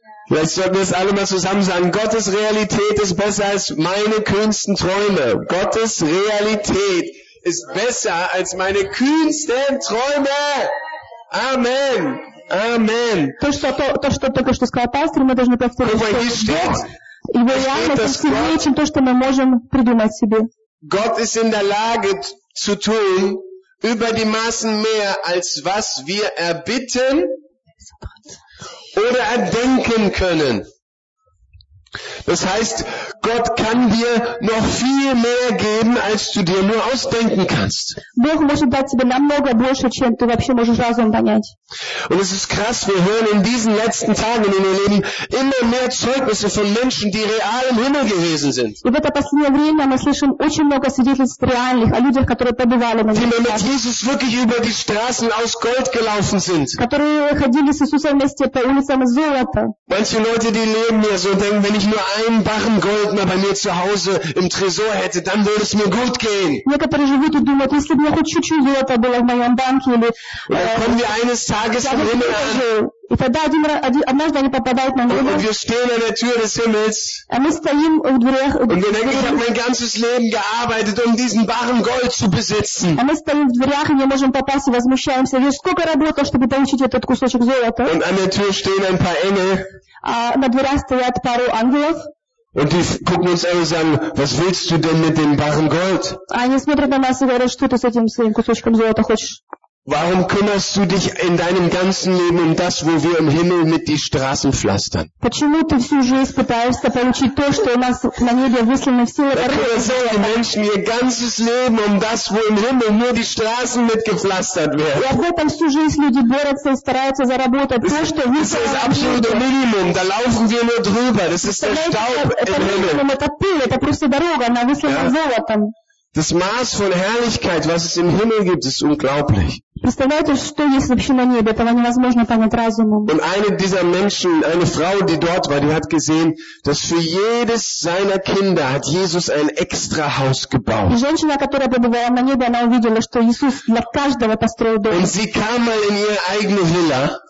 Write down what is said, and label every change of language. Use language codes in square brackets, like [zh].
[de] Jetzt sollten wir es alle mal zusammen sagen. Gottes Realität ist besser als meine kühnsten Träume. Gottes Realität ist besser als meine kühnsten Träume. Amen. Amen. [ru] То, что сказал пастор, мы должны повторить. Его реальность сильнее, чем то, что мы можем придумать себе. [de] Gott ist in der Lage zu tun über die Maßen mehr, als was wir erbitten oder erdenken können. Das heißt, Gott kann dir noch viel mehr geben, als du dir nur ausdenken kannst. [ru] Бог может дать тебе намного больше, чем ты вообще можешь разум понять. [de] Und es ist krass, wir hören in diesen letzten Tagen in unserem Leben immer mehr Zeugnisse von Menschen, die real im Himmel gewesen sind. [ru] И в это последнее время мы слышим очень много свидетельств реальных о людях, которые побывали на небесах. [de] Die mit Jesus wirklich über die Straßen aus Gold gelaufen sind. [ru] Которые ходили с Иисусом вместе по улицам золота. [de] Manche Leute, die leben mir so, denken, wenn ich nur einen Barren Gold mehr bei mir zu Hause im Tresor hätte, dann würde es mir gut gehen. [ru] Некоторые живут и думают, если бы я хоть чуть-чуть золота было в моем банке или. [de] Kommen wir eines Tages im Himmel an. [ru] И тогда однажды они попадают на небо. [de] Und wir stehen an der Tür des Himmels. [ru] А мы стоим в дверях. [de] Und wir denken, ich habe mein ganzes Leben gearbeitet, um diesen Barren Gold zu besitzen. [ru] А мы стоим в дверях и не можем попасть и возмущаемся, ведь сколько работы, чтобы получить этот кусочек золота. [de] Und an der Tür stehen ein paar Engel. [ru] А на дверях стоят пару ангелов. [de] Und die gucken uns an und sagen, was willst du denn mit dem Barren Gold? [ru] Они смотрят на нас и говорят, что ты с этим своим кусочком золота хочешь? [de] Warum kümmerst du dich in deinem ganzen Leben um das, wo wir im Himmel mit die Straßen pflastern? [ru] Почему ты всю жизнь пытаешься получить то, что у нас на небе выслано все это? [de] Die Menschen ihr ganzes Leben um das, wo im Himmel nur die Straßen mitgepflastert werden. [ru] Ja, вот там всю жизнь люди борются и стараются заработать то, что выслано. [de] Das ist absolute Minimum. Da laufen wir nur drüber. Das ist der Staub im Himmel. [ru] Это пыль, это просто дорога, она выслана золотом. [de] Das Maß von Herrlichkeit, was es im Himmel gibt, ist unglaublich. [ru] Представляете, что есть вообще на небе? Этого невозможно понять разумом. [de] Und eine dieser Menschen, eine Frau, die dort war, die hat gesehen, dass für jedes seiner Kinder hat Jesus ein extra Haus gebaut. [ru] И женщина, которая побывала на небе, она увидела, что Иисус для каждого построил дом. [de] Und sie kam mal in ihre eigene Villa.